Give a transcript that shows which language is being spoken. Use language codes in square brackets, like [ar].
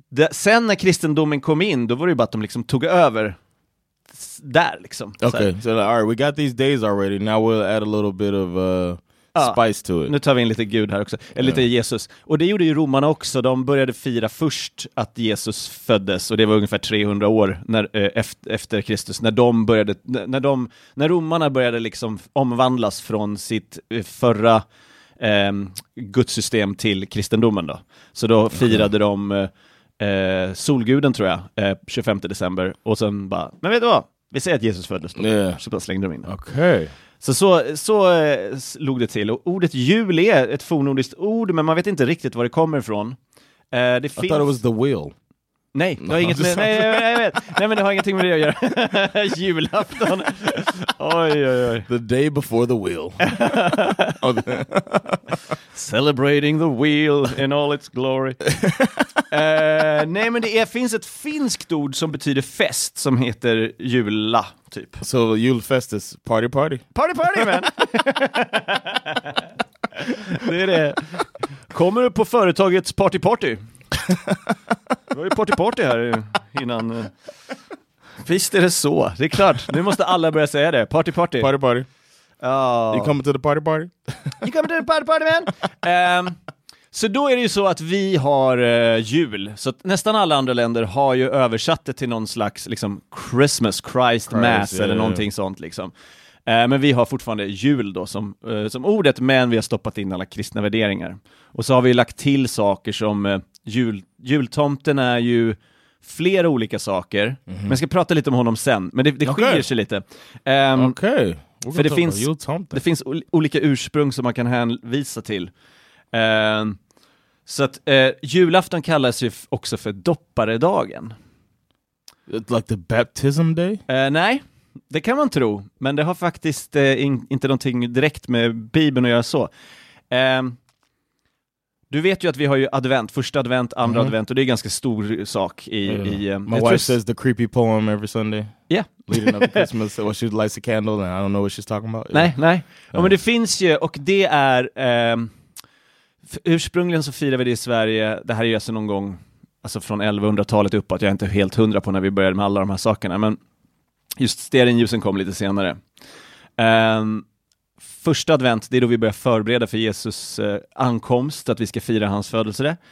[sv] Sen när kristendomen kom in, då var det ju bara att de liksom tog över där liksom. [en] Okay, så all right, we got these days already. Now we'll add a little bit of spice to it. [sv] Nu tar vi in lite Gud här också, eller lite Jesus. Och det gjorde ju romarna också. De började fira först att Jesus föddes, och det var ungefär 300 år efter Kristus när romarna började liksom omvandlas från sitt förra Guds system till kristendomen då. Så då firade de solguden, tror jag, 25 december, och sen bara, men vet du vad, vi säger att Jesus föddes då. Så bara slängde de in. [en] Okay. [sv] Så låg det till. Och ordet jul är ett fornordiskt ord, men man vet inte riktigt var det kommer ifrån. Det finns... [en] I thought it was the wheel. [sv] Nej, det har inget med, nej, men det har ingenting med det att göra. Julafton. Oj. [en] The day before the wheel. Celebrating the wheel in all its glory. [sv] Nej, men finns ett finskt ord som betyder fest, som heter jula, typ. [en] So julfest is party party. Party party, man. [sv] Det är det. Kommer du på företagets party party? Det var ju party här innan. Visst är det så. Det är klart, nu måste alla börja säga det. Party party. [en] You coming to the party party? You coming to the party party, man? [sv] Så då är det ju så att vi har jul. Så nästan alla andra länder har ju översatt det till någon slags liksom [en] Christ mass, yeah, [sv] eller någonting sånt liksom. Men vi har fortfarande jul då som ordet, men vi har stoppat in alla kristna värderingar. Och så har vi lagt till saker som jultomten är ju flera olika saker. Mm-hmm. Men jag ska prata lite om honom sen. Men det skiljer sig lite. Okej. För det finns olika ursprung som man kan hänvisa till. Så att julafton kallas ju också för dopparedagen. [en] Like the baptism day? [sv] Nej. Det kan man tro, men det har faktiskt inte någonting direkt med Bibeln att göra så. Du vet ju att vi har ju advent, första advent, andra advent, och det är en ganska stor sak i [en] My wife says the creepy poem every Sunday. Yeah. Leading up to Christmas, well, she lights a candle and I don't know what she's talking about. [sv] Nej. Men det finns ju, och det är ursprungligen så firar vi det i Sverige. Det här är ju alltså någon gång, alltså från 1100-talet uppåt. Jag är inte helt hundra på när vi började med alla de här sakerna, men just stearinljusen kom lite senare. Första advent, det är då vi börjar förbereda för Jesus ankomst, att vi ska fira hans födelse.